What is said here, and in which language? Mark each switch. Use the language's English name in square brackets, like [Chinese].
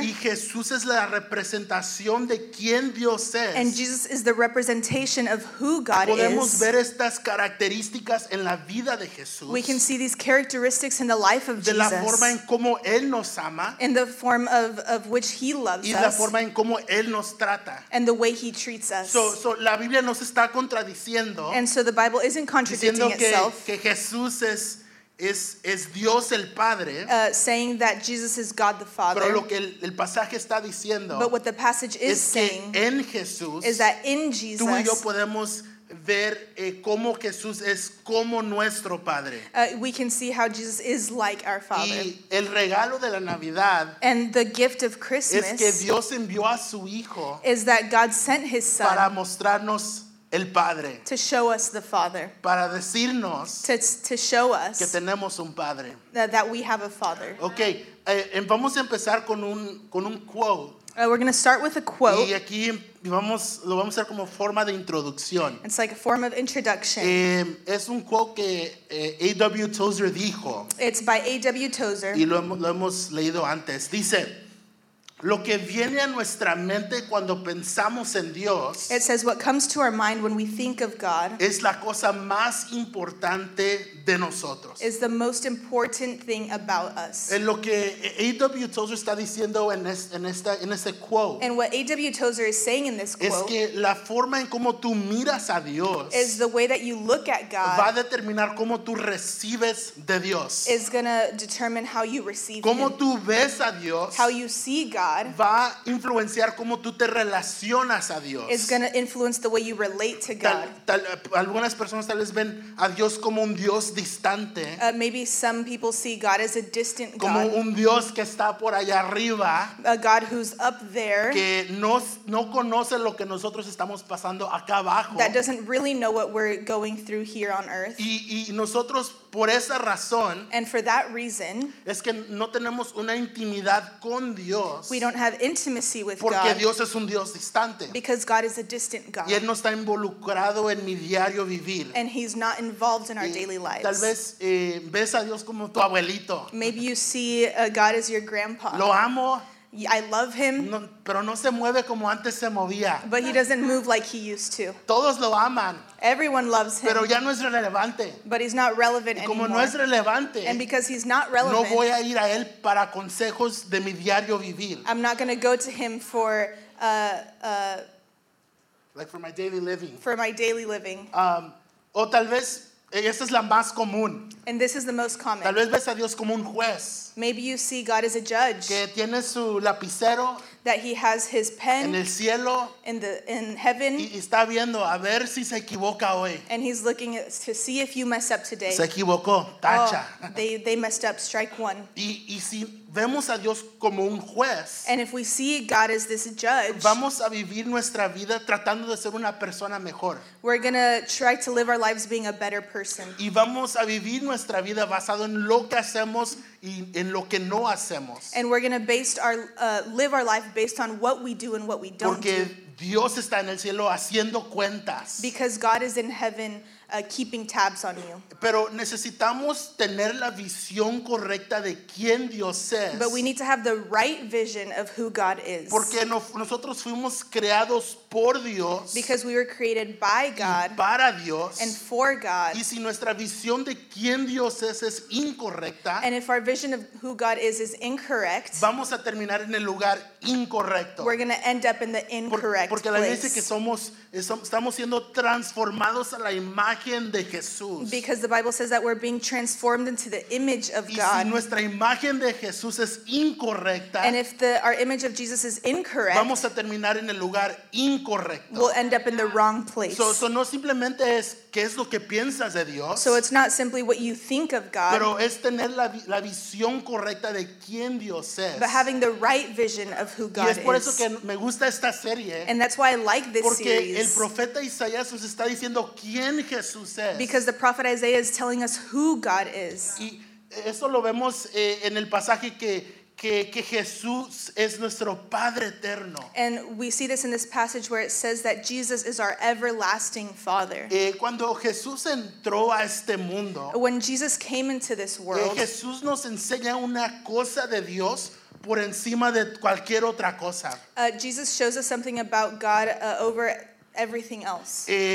[Spanish] Y Jesús es la representación de quién Dios es. [English] And Jesus is the representation of who God [Spanish] podemos [English] is. [Spanish] Podemos ver estas características en la vida de Jesús. [English] We can see these characteristics in the life of [Spanish] de [English] Jesus. [Spanish] De la forma en cómo Él nos ama. [English] In the form of which He loves [Spanish] y [English] us. [Spanish] Y la forma en cómo Él nos trata. [English] And the way He treats us. So [Spanish] la Biblia nos está contradiciendo. [English] And so the Bible isn't contradicting. [Spanish] Que Jesús es Dios el Padre. [English] Saying that Jesus is God the Father. [Spanish] Pero lo que el pasaje está diciendo. [English] But what the passage is saying. [Spanish] Es que en Jesús. [English] Is that in Jesus. [Spanish] Tú y yo podemos ver cómo Jesús es como nuestro Padre. [English] We can see how Jesus is like our Father. [Spanish] Y el regalo de la Navidad. [English] And the gift of Christmas. [Spanish] Es que Dios envió a su Hijo. [English] Is that God sent His Son. [Spanish] Para mostrarnos el Padre. [English] To show us the Father. [Spanish] Para decirnos. [English] To show us. [Spanish] Que tenemos un Padre. [English] That we have a Father. Okay. [Spanish] Vamos a empezar con un quote. [English] We're going to start with a quote. [Spanish] Y aquí vamos, lo vamos a hacer como forma de introducción. [English] It's like a form of introduction. [Spanish] Es un quote que A.W. Tozer dijo. [English] It's by A.W. Tozer. [Spanish] Y lo hemos leído antes. Dice, lo que viene a nuestra mente cuando pensamos en Dios. [English] It says what comes to our mind when we think of God. [Spanish] Es la cosa más importante de nosotros. [English] Is the most important thing about us. [Spanish] En lo que A.W. Tozer está diciendo en este quote. [English] And what A.W. Tozer is saying in this quote. [Spanish] Es que la forma en cómo tú miras a Dios. [English] Is the way that you look at God. [Spanish] Va a determinar cómo tú recibes de Dios. [English] Is going to determine how you receive [Spanish] cómo [English] him. [Spanish] Cómo tú ves a Dios. [English] How you see God. [Spanish] Va a influenciar cómo tú te relacionas a Dios. [English] It's going to influence the way you relate to God. [Spanish] Algunas personas tal vez ven a Dios como un Dios distante. [English] Maybe some people see God as a distant God. [Spanish] Como un Dios que está por allá arriba. [English] A God who's up there. [Spanish] Que no conoce lo que nosotros estamos pasando acá abajo. [English] That doesn't really know what we're going through here on earth. [Spanish] Y nosotros por esa razón. [English] And for that reason. [Spanish] Es que no tenemos una intimidad con Dios. [English] We don't have intimacy with [Spanish] porque [English] God [Spanish] Dios es un Dios distante. [English] Because God is a distant God. [Spanish] Y él no está involucrado en mi diario vivir. [English] And he's not involved in our daily lives. [Spanish] Tal vez ves a Dios como tu abuelito. [English] Maybe you see God as your grandpa. [Spanish] Lo amo. [English] I love him. [Spanish] No, pero no se mueve como antes se movía. [English] But he doesn't move like he used to. [Spanish] Todos lo aman. [English] Everyone loves him. [Spanish] Pero ya no es relevante. [English] But he's not relevant [Spanish] como [English] anymore. [Spanish] No es relevante, [English] and because he's not relevant, [Spanish] no voy a ir a él para consejos de mi diario vivir. [English] I'm not going to go to him for like for my daily living. For my daily living. [Spanish] O tal vez esta es la más común. [English] And this is the most common. [Spanish] Tal vez ves a Dios como un juez. [English] Maybe you see God as a judge. [Spanish] Que tiene su lapicero. [English] That he has his pen. [Spanish] En el cielo. [English] In heaven. [Spanish] Y está viendo a ver si se equivoca hoy. [English] And he's looking to see if you mess up today. [Spanish] Se equivocó. Tacha. [English] Oh, they messed up. Strike one. [Spanish] Y si vemos a Dios como un juez. [English] And if we see God as this judge. [Spanish] Vamos a vivir nuestra vida tratando de ser una persona mejor. [English] We're going to try to live our lives being a better person. [Spanish] Y vamos a vivir nuestra vida basado en lo que hacemos y en lo que no hacemos. [English] And we're going to live our life based on what we do and what we don't [Spanish] porque Porque Dios está en el cielo haciendo cuentas. [English] Because God is in heaven keeping tabs on you. [Spanish] Pero necesitamos tener la visión correcta de quién Dios es. [English] But we need to have the right vision of who God is. [Spanish] Porque nosotros fuimos creados por Dios. [English] Because we were created by God. [Spanish] Y para Dios. [English] And for God. [Spanish] Y si nuestra visión de quién Dios es incorrecta. [English] And if our vision of who God is incorrect. [Spanish] Vamos a terminar en el lugar incorrecto. [English] We're going to end up in the incorrect [Spanish] porque [English] place. [Spanish] Porque la Biblia dice que estamos siendo transformados a la imagen de Jesús. [English] Because the Bible says that we're being transformed into the image of [Spanish] y [English] God. [Spanish] Y si nuestra imagen de Jesús es incorrecta. [English] And if our image of Jesus is incorrect. [Spanish] Vamos a terminar en el lugar incorrecto. [English] We'll end up in the wrong place. So [Spanish] no simplemente es qué es lo que piensas de Dios. [English] So it's not simply what you think of God. [Spanish] Pero es tener la visión correcta de quién Dios es. [English] But having the right vision of who God is. [Spanish] Y es por eso que me gusta esta serie. [English] And that's why I like this [Spanish] porque [English] series. [Spanish] Porque el profeta Isaías nos está diciendo quién Jesús es. [English] Because the prophet Isaiah is telling us who God is. [Spanish] Y eso lo vemos en el pasaje que Jesús es nuestro Padre Eterno. [English] And we see this in this passage where it says that Jesus is our everlasting Father. [Spanish] Cuando Jesús entró a este mundo. [English] When Jesus came into this world. [Spanish] Jesús nos enseña una cosa de Dios por encima de cualquier otra cosa. [English] Jesus shows us something about God over everything else.